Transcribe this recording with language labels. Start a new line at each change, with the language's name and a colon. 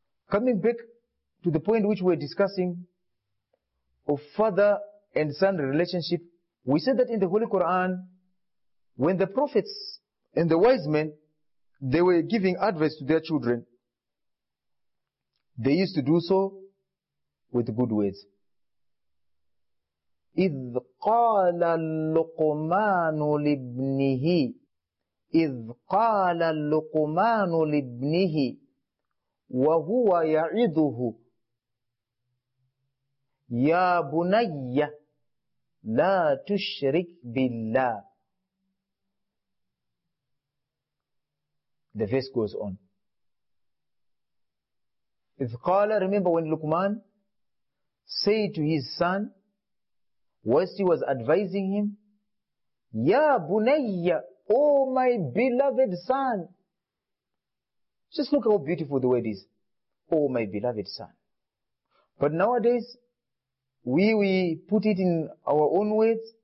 English: Coming back to the point which we're discussing of father and son relationship, we said that in the Holy Quran, when the prophets and the wise men, they were giving advice to their children, they used to do so with good words.
Arabic: إِذْ قَالَ لُقْمَانُ لِبْنِهِ إِذْ قَالَ لُقْمَانُ لِبْنِهِ وَهُوَ يَعِذُهُ يَا بُنَيَّ لَا تُشْرِكْ بِاللَّهِ.
English: The verse goes on.
Arabic: إِذْ قَالَ,
English: remember when Luqman said to his son, whilst he was advising him,
Arabic: يَا بُنَيَّ,
English: oh my beloved son. Just look how beautiful the word is. Oh, my beloved son. But nowadays, we put it in our own words.